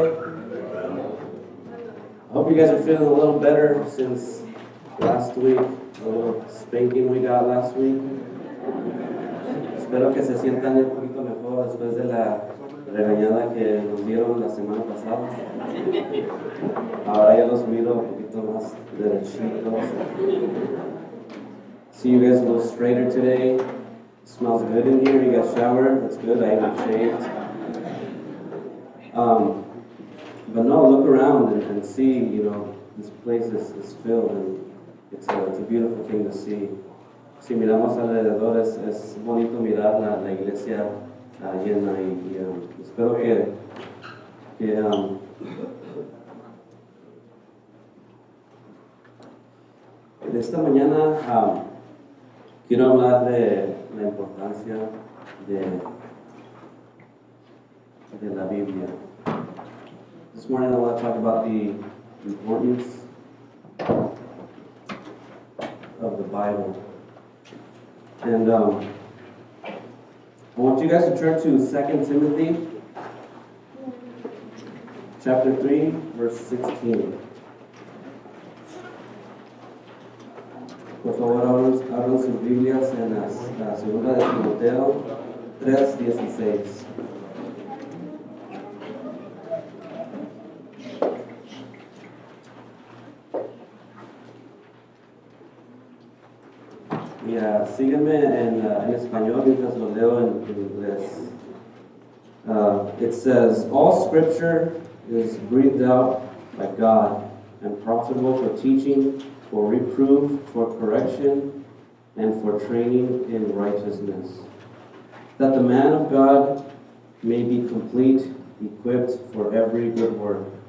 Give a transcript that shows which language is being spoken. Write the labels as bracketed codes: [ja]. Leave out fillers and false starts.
[en] I hope you guys are feeling a little better since last week, the little spanking we got last week. [es] Espero que se sientan un poquito mejor después de la regañada que nos dieron la semana pasada. Ahora ya los miro un poquito más derechitos. [en] See you guys a little straighter today. Smells good in here. You got showered. That's good. I even shaved. But no, look around and see, you know, this place is filled and it's a beautiful thing to see. [es] Si miramos alrededor, es bonito mirar la iglesia llena y espero que de esta mañana quiero hablar de la importancia de la Biblia. [en] This morning I want to talk about the importance of the Bible. And I want you guys to turn to 2 Timothy chapter 3, verse 16. [es] Por favor, abran sus Biblias en la segunda de Timoteo 3:16. Y sígueme en español mientras lo leo en inglés. [en] It says, all scripture is breathed out by God and profitable for teaching, for reproof, for correction, and for training in righteousness, that the man of God may be complete, equipped for every good work.